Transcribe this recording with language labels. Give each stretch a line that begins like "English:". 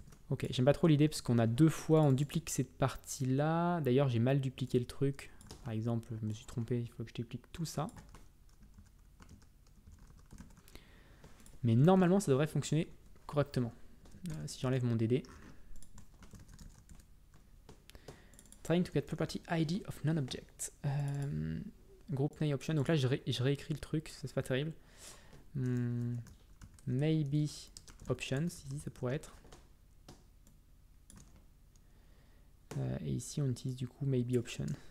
French: Ok, j'aime pas trop l'idée parce qu'on a deux fois, on duplique cette partie-là. D'ailleurs, j'ai mal dupliqué le truc. Par exemple, je me suis trompé, il faut que je duplique tout ça. Mais normalement, ça devrait fonctionner correctement. Si j'enlève mon DD.
English: Trying to get property ID of non-object. Group name option.
French: Donc là, je réécris le truc, ça c'est pas terrible. Maybe options, ici ça pourrait être. Et ici, on utilise du coup maybe option.